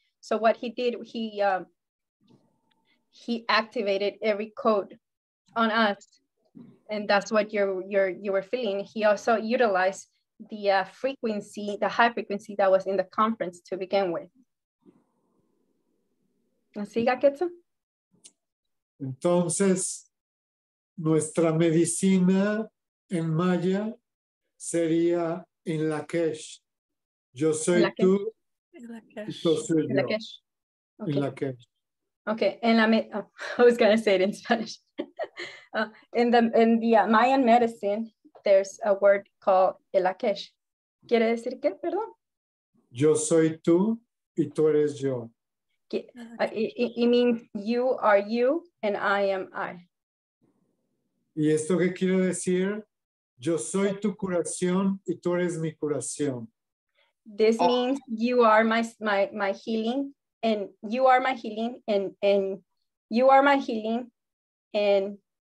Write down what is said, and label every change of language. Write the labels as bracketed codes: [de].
[en] So what he did, he activated every code on us, and that's what you were feeling. He also utilized the frequency, the high frequency that was in the conference to begin with. [es] ¿Siga, Quetza? Entonces, nuestra medicina en Maya sería en la Kesh. Yo soy tú. [en] In I was gonna say it in Spanish. In the Mayan medicine, there's a word called elakesh. [es] ¿Quiere decir qué? Perdón. Yo soy tú y tú eres yo. [en] It means you are you and I am I. [es] ¿Y esto qué quiere decir? Yo soy tu curación y tú eres mi curación. [en] This means you are my healing, and you are my healing, and you are my healing, and